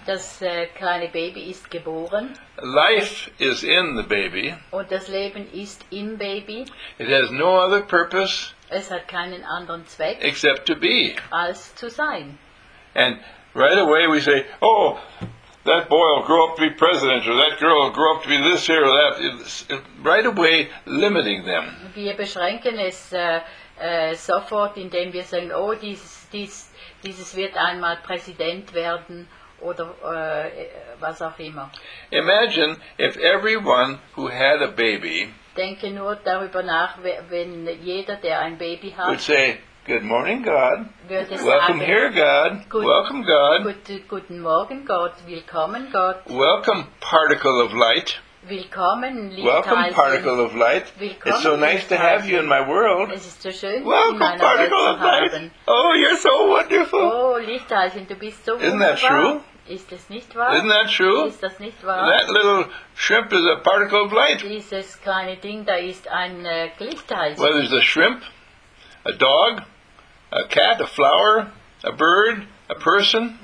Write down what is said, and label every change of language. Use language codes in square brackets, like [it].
[de] Das kleine Baby ist geboren. [en] Life is in the baby. [de] Und das Leben ist im Baby. [en] It has no other purpose. [de] Es hat keinen anderen Zweck. [en] Except to be. [de] Als zu sein. [en] And right away we say, oh, that boy will grow up to be president, or that girl will grow up to be this here or that. It's right away limiting them. [de] Wir beschränken es sofort, indem wir sagen, oh, dieses wird einmal Präsident werden oder was auch immer. [en] Imagine if everyone who had a baby. [de] Denke nur darüber nach, wenn jeder, der ein Baby hat, [en] would say, good morning, God. Welcome here, God. Welcome, God. [de] Guten Morgen, Gott. Willkommen, Gott. [en] Welcome, particle of light. [de] Willkommen, [en] welcome, particle of light. [de] Willkommen, [en] it's so nice to have you in my world. [de] Es ist so schön, [en] welcome, [de] in [en] particle [de] Welt [en] of light. Oh, you're so wonderful. [de] Oh, Lichtteilchen, du bist so wunderbar. [en] Isn't that true? [de] Ist das nicht wahr? [en] Isn't that true? [de] Ist das nicht wahr? [en] That little shrimp is a particle of light. [de] Dieses kleine Ding, da ist ein Lichtteilchen. [en] Whether it's a shrimp, a dog, a cat, a flower, a bird, a person.